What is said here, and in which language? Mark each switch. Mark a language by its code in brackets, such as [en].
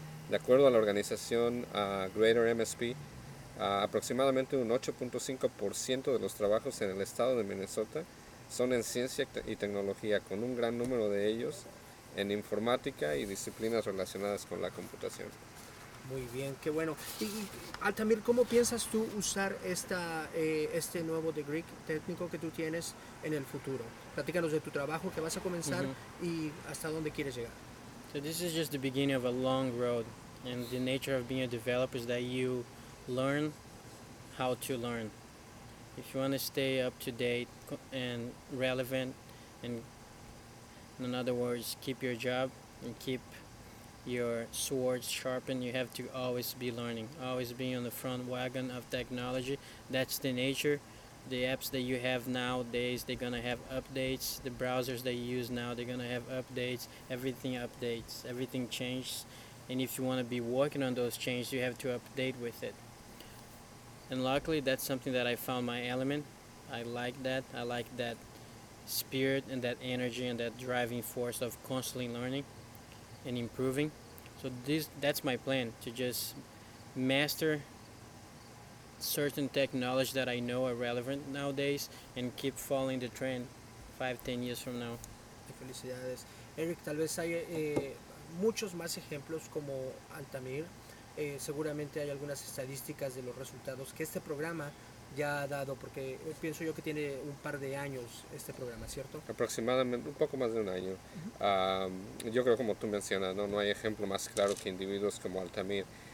[es] De acuerdo a la organización Greater MSP, aproximadamente un 8.5% de los trabajos en el estado de Minnesota son en ciencia y tecnología, con un gran número de ellos en informática y disciplinas relacionadas con la computación. Muy bien, qué bueno. Y Altamir, ¿cómo piensas tú usar este nuevo degree técnico que tú tienes en el futuro? Platícanos de tu trabajo que vas a comenzar y hasta dónde quieres llegar. [en] So this is just the beginning of a long road, and the nature of being a developer is that you learn how to learn. If you want to stay up to date and relevant, and in other words, keep your job and keep your sword sharpened, you have to always be learning, always be on the front wagon of technology. That's the nature. The apps that you have nowadays, they're gonna have updates. The browsers that you use now, they're gonna have updates. Everything updates, everything changes. And if you want to be working on those changes, you have to update with it. And luckily, that's something that I found my element. I like that. I like that spirit and that energy and that driving force of constantly learning and improving. So that's my plan, to just master certain technology that I know are relevant nowadays and keep following the trend 5-10 years from now. [es] Felicidades. Eric, tal vez hay muchos más ejemplos como Altamir. Seguramente hay algunas estadísticas de los resultados que este programa ya ha dado, porque pienso yo que tiene un par de años este programa, ¿cierto? Aproximadamente un poco más de un año. Yo creo, como tú mencionas, no hay ejemplo más claro que individuos como Altamir.